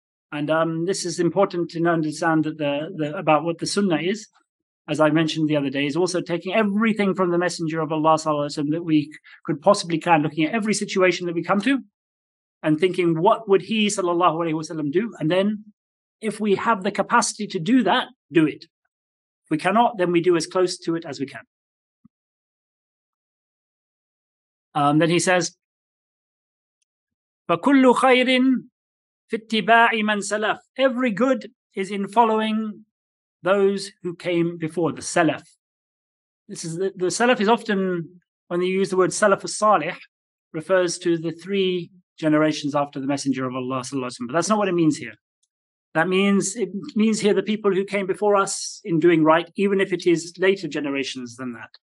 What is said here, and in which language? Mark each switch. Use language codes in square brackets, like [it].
[en] And this is important to understand that the about what the sunnah is, as I mentioned the other day, is also taking everything from the Messenger of Allah sallallahu alaihi wasallam that we could possibly can, looking at every situation that we come to and thinking, what would he sallallahu alaihi wasallam do? And then if we have the capacity to do that, do it. If we cannot, then we do as close to it as we can. Then he says, [ar] فَكُلُّ خَيْرٍ فِي اتِّبَاعِ مَنْ سَلَفْ. [en] Every good is in following those who came before, the Salaf. This is the Salaf is often, when you use the word Salaf al-Salih, refers to the three generations after the Messenger of Allah sallallahu alaihi wasallam. But that's not what it means here. It means here the people who came before us in doing right, even if it is later generations than that.